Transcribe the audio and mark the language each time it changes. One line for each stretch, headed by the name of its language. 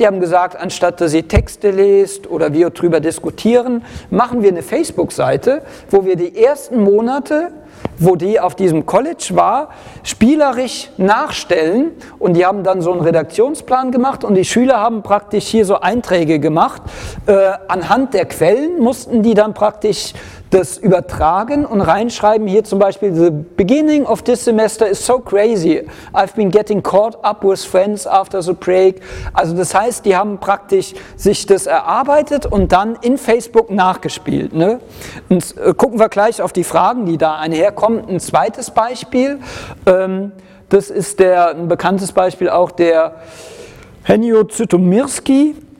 German: Die haben gesagt, anstatt dass sie Texte lest oder wir drüber diskutieren, machen wir eine Facebook-Seite, wo wir die ersten Monate, wo die auf diesem College war, spielerisch nachstellen, und die haben dann so einen Redaktionsplan gemacht und die Schüler haben praktisch hier so Einträge gemacht. Anhand der Quellen mussten die dann praktisch das übertragen und reinschreiben, hier zum Beispiel:
English: The beginning of this semester is so crazy. I've been getting caught up with friends after the break.
German: Also das heißt, die haben praktisch sich das erarbeitet und dann in Facebook nachgespielt. Ne? Und gucken wir gleich auf die Fragen, die da einherkommen. Ein zweites Beispiel, das ist ein bekanntes Beispiel auch, der Henio Zytomirski.